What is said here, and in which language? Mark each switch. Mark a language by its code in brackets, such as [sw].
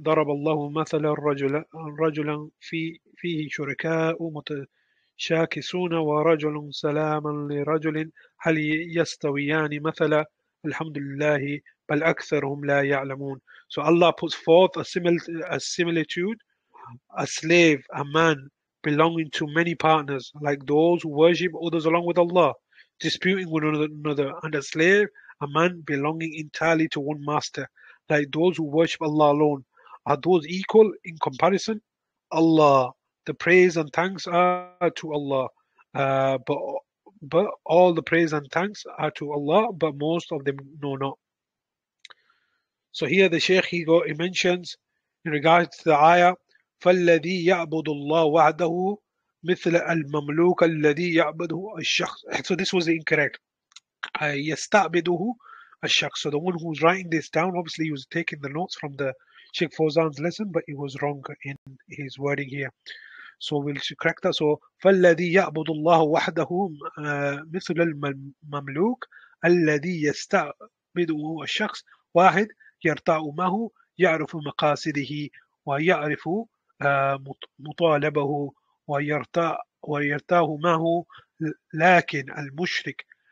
[ar] ضرب الله مثلا الرجل فيه شركاء متشاكسون ورجل سلام لرجل هل يستويان مثلا الحمد لله بل أكثرهم لا يعلمون. [en] So Allah puts forth a similitude, a slave, a man belonging to many partners, like those who worship others along with Allah, disputing with one another, and a slave, a man belonging entirely to one master, like those who worship Allah alone. Are those equal in comparison? Allah, the praise and thanks are to Allah, but all the praise and thanks are to Allah, but most of them know not. So here the Shaykh, he mentions in regards to the ayah, [ar] فالذي يعبد الله وحده مثل المملوك الذي يعبده الشخص. [en] So this was incorrect. [ar] يستعبده الشخص. [en] So the one who's writing this down, obviously he was taking the notes from the Sheikh Fawzan's lesson, but he was wrong in his wording here. So we'll correct that. So [ar] فالذي يعبد الله وحده مثل المملوك الذي يستعبده الشخص واحد يرتاع معه يعرف مقاصده ويعرف مطالبه ويرتاه معه لكن المشرك